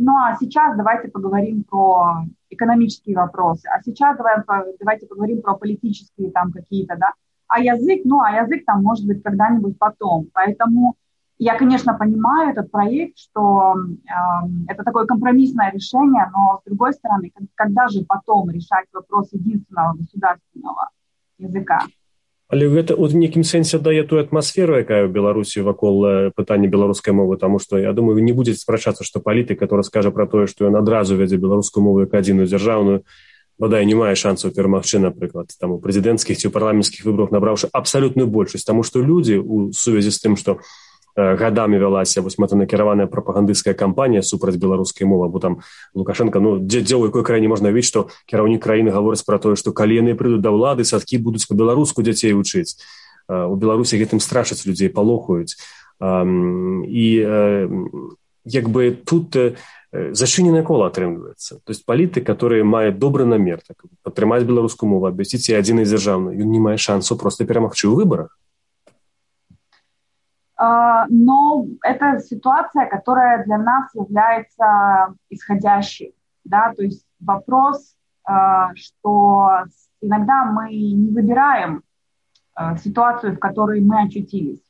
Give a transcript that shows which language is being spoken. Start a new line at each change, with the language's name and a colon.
Russian: Ну а сейчас давайте поговорим про экономические вопросы, а сейчас давайте поговорим про политические там какие-то, да, А язык там может быть когда-нибудь потом. Поэтому я, конечно, понимаю этот проект, что это такое компромиссное решение, но, с другой стороны, когда же потом решать вопрос единственного государственного языка?
Belarusian: Але гэта ў некім сэнсе дае тую атмасферу, якая ў Беларусі вакол пытання беларускай мовы, таму што я думаю, вы не будзеце спрачацца, што палітык, які скажа пра тое, што ён адразу вядзе беларускую мову як адзіную дзяржаўную, бадай не мае шансаў перамагчы, напрыклад, там у прэзідэнцкіх ці парламенцкіх выбарах набраўшы абсалютную большасць, таму што людзі ў сувязі з тым, што гадамі вялася вось мэтанакіраваная прапагандысцкая кампанія супраць беларускай мовы, бо там Лукашэнка, ну, дзе ў якой краіне можна ведць, што кіраўнік краіны гаворыць пра тое, што калі яны прыйдуць да ўлады, садкі будуць па-беларуску дзяцей вучыць. У Беларусі гэтым страшаць людзей, палохаюць. І як бы тут зачыненае кола атрымліваецца. Тобто палітык, які мае добры намер так падтрымаць беларускую мову, абвясціць яе адзінай дзяржаўнай, ён не мае шансу проста перамагчы ў выбарах.
Russian: Но это ситуация, которая для нас является исходящей, да, то есть вопрос, что иногда мы не выбираем ситуацию, в которой мы очутились.